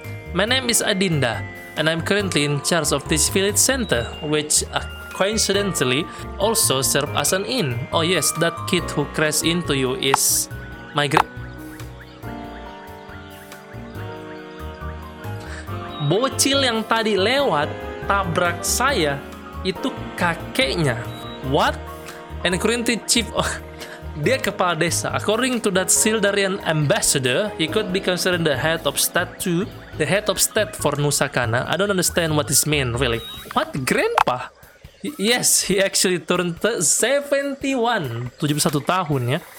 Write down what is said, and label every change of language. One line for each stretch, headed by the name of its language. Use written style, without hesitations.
English: My name is Adinda, and I'm currently in charge of this village center, which coincidentally also serve as an inn. Oh yes, that kid who crashed into you is my great...
Indonesian: Bocil yang tadi lewat tabrak saya itu kakeknya.
English: What? And currently chief of...
Indonesian: Dia kepala desa.
English: According to that Sildarian ambassador, he could be considered the head of state too. The head of state for Nusa Kana. I don't understand what this mean really. What, grandpa? Yes, he actually turned 71
Indonesian: tahun ya.